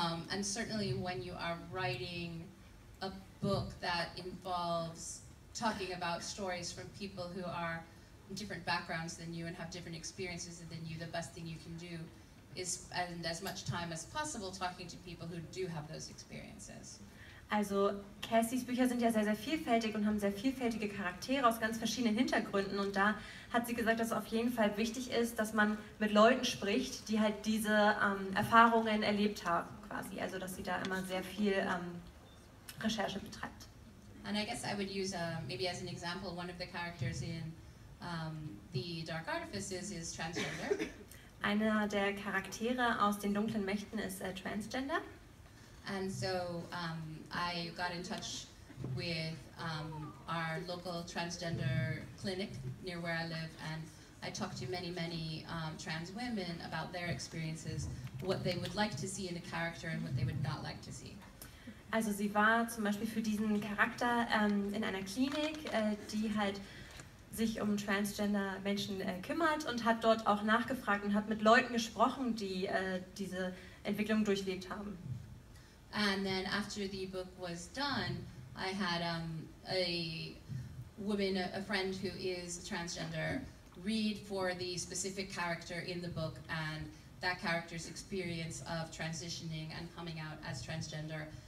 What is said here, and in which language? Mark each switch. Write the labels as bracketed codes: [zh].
[en] And certainly when you are writing a book that involves talking about stories from people who are in different backgrounds than you and have different experiences than you, the best thing you can do is spend as much time as possible talking to people who do have those experiences. [de] Also, Cassies Bücher sind ja sehr, sehr vielfältig und haben sehr vielfältige Charaktere aus ganz verschiedenen Hintergründen. Und da hat sie gesagt, dass es auf jeden Fall wichtig ist, dass man mit Leuten spricht, die halt diese Erfahrungen erlebt haben, quasi. Also, dass sie da immer sehr viel Recherche betreibt. [en] And I guess I would use, maybe as an example, one of the characters in The Dark Artifices is transgender. [de] Einer der Charaktere aus den Dunklen Mächten ist transgender. [en] And so I got in touch with our local transgender clinic near where I live, and I talked to many, many trans women about their experiences, what they would like to see in a character and what they would not like to see. [de] Also sie war zum Beispiel für diesen Charakter in einer Klinik, die halt sich um transgender Menschen kümmert und hat dort auch nachgefragt und hat mit Leuten gesprochen, die diese Entwicklung durchlebt haben. [en] And then after the book was done, I had a woman, a friend who is transgender, read for the specific character in the book and that character's experience of transitioning and coming out as transgender.